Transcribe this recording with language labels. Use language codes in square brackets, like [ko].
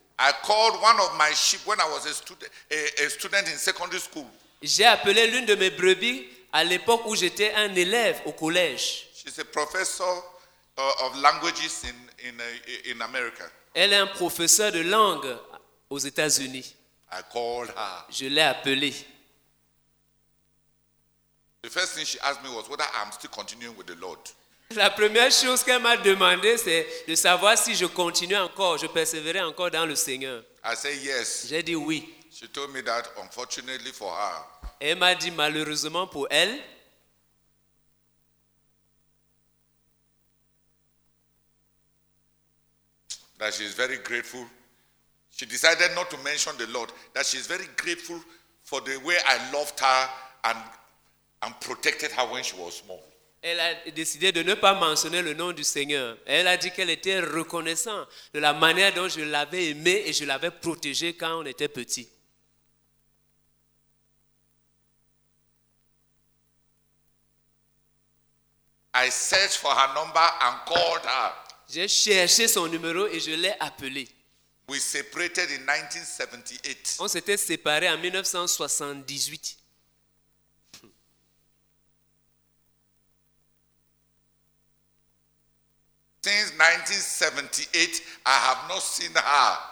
[en] I called one of my sheep when I was a student in secondary school. [fr] J'ai appelé l'une de mes brebis à l'époque où j'étais un élève au collège. [en] She's a professor of languages in America. [fr] Elle est un professeur de langue aux États-Unis. [en] I called her. [fr] Je l'ai appelée. [en] The first thing she asked me was whether I'm still continuing with the Lord. [fr] La première chose qu'elle m'a demandé, c'est de savoir si je continue encore, je persévérais encore dans le Seigneur. [en] I said yes. [fr] J'ai dit oui. [en] She told me that unfortunately for her. [fr] Elle m'a dit malheureusement pour elle. [en] That she is very grateful. She decided not to mention the Lord. That she is very grateful for the way I loved her and protected her when she was small. [fr] Elle a décidé de ne pas mentionner le nom du Seigneur. Elle a dit qu'elle était reconnaissante de la manière dont je l'avais aimé et je l'avais protégé quand on était petit. [en] I searched for her number and called her. [fr] J'ai cherché son numéro et je l'ai appelé. [en] We separated in 1978. [fr] On s'était séparé en 1978. [en] Since 1978, I have not seen her.